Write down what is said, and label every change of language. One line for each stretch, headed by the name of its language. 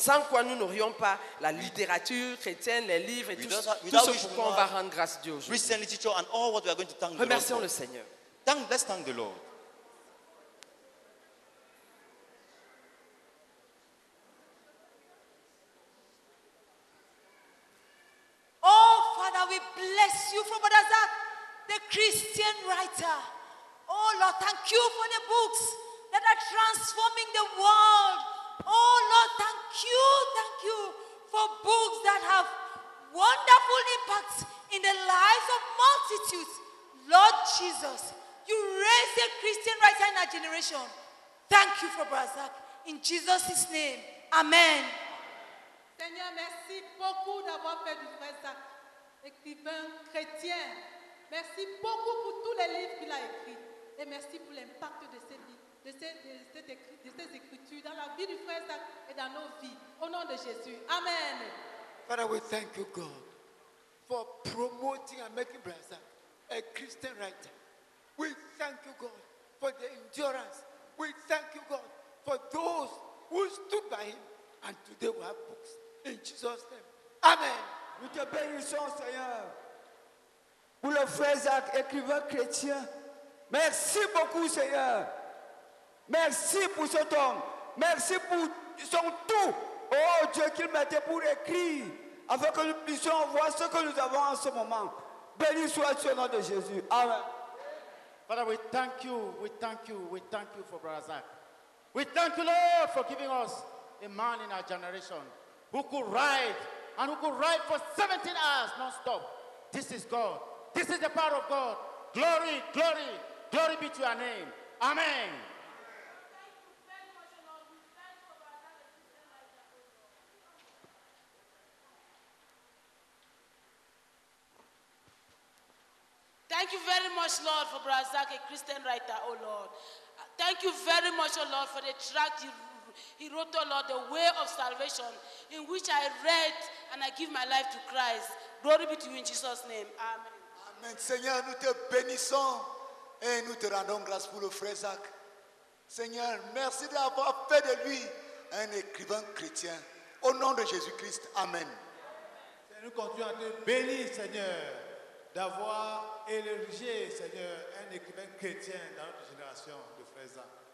French: Sans quoi nous n'aurions pas la littérature chrétienne, les livres et
English: without
French: tout ce pour quoi on va rendre grâce à Dieu aujourd'hui.
English: Christian literature and all what we are going to thank
French: remercions
English: the Lord
French: le Seigneur.
English: Let's thank the Lord. Oh Father, we bless you for Brother Zach. The Christian writer. Oh Lord, thank you for the books that are transforming the world. Oh Lord, thank you for books that have wonderful impacts in the lives of multitudes. Lord Jesus, you raised a Christian writer in our generation. Thank you for Brother Zach. In Jesus' name, amen.
French: Seigneur, merci beaucoup d'avoir fait du Frère Zach, écrivain chrétien. Merci beaucoup pour tous les livres qu'il a écrits. Et merci pour l'impact de ces livres, de ces écritures dans la vie du frère Zach et dans nos vies. Au nom de Jésus. Amen.
English: Father, we thank you, God, for promoting and making Brother Zach a Christian writer. We thank you, God, for the endurance. We thank you, God, for those who stood by him. And today we have books in Jesus' name. Amen.
French: Nous te bénissons, Seigneur. Pour le frère Zach, écrivain chrétien, merci beaucoup, Seigneur. Merci pour cet homme. Merci pour son tout. Oh Dieu, qu'il mettait pour écrire, afin que nous puissions voir ce que nous avons en ce moment. Béni sois-tu au nom de Jésus. Amen.
English: Father, we thank you, we thank you, we thank you for Brother Zach. We thank you, Lord, for giving us a man in our generation who could write and who could write for 17 hours non-stop. This is God. This is the power of God. Glory, glory, glory be to your name. Amen. Thank you very much, Lord, for Brother Zach, a Christian writer, oh Lord. Thank you very much, oh Lord, for the tract he wrote, oh Lord, The Way of Salvation, in which I read and I give my life to Christ. Glory be to you in Jesus' name. Amen. Amen.
French: Seigneur, nous te bénissons et nous te rendons grâce pour le frère Zach. Seigneur, merci d'avoir fait de lui un écrivain chrétien. Au nom de Jésus-Christ, amen. Seigneur, nous continuons à te bénir, Seigneur, d'avoir élargi, Seigneur, un écrivain chrétien dans notre génération de frères.